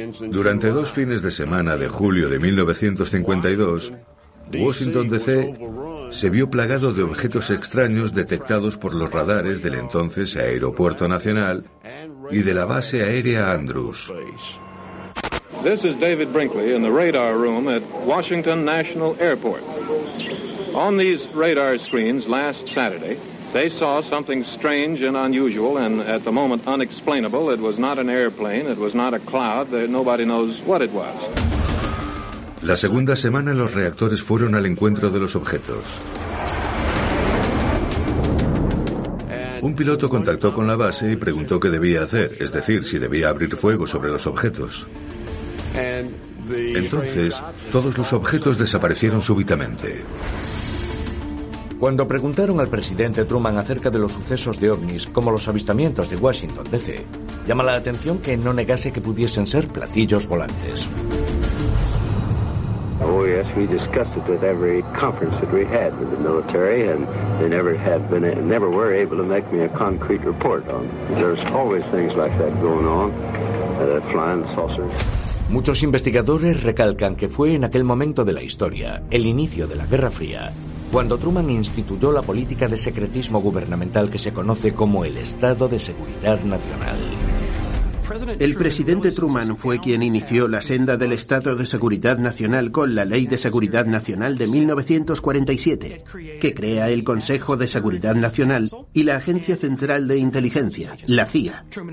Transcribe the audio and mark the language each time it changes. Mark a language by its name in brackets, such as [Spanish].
[Spanish] Durante 2 fines de semana de julio de 1952, Washington D.C. se vio plagado de objetos extraños detectados por los radares del entonces Aeropuerto Nacional y de la base aérea Andrews. [English] This is David Brinkley in the radar room at Washington National Airport. On these radar screens last Saturday, they saw something strange and unusual and at the moment unexplainable. It was not an airplane, it was not a cloud, nobody knows what it was. [Spanish] La segunda semana los reactores fueron al encuentro de los objetos. Un piloto contactó con la base y preguntó qué debía hacer, es decir, si debía abrir fuego sobre los objetos. Entonces, todos los objetos desaparecieron súbitamente. Cuando preguntaron al presidente Truman acerca de los sucesos de ovnis, como los avistamientos de Washington D.C., llama la atención que no negase que pudiesen ser platillos volantes. [English] Oh yes, we discussed it with every conference that we had with the military, and they never were able to make me a concrete report on them. There's always things like that going on, the flying saucers. [Spanish] Muchos investigadores recalcan que fue en aquel momento de la historia, el inicio de la Guerra Fría, cuando Truman instituyó la política de secretismo gubernamental que se conoce como el Estado de Seguridad Nacional. El presidente Truman fue quien inició la senda del Estado de Seguridad Nacional con la Ley de Seguridad Nacional de 1947, que crea el Consejo de Seguridad Nacional y la Agencia Central de Inteligencia, la CIA.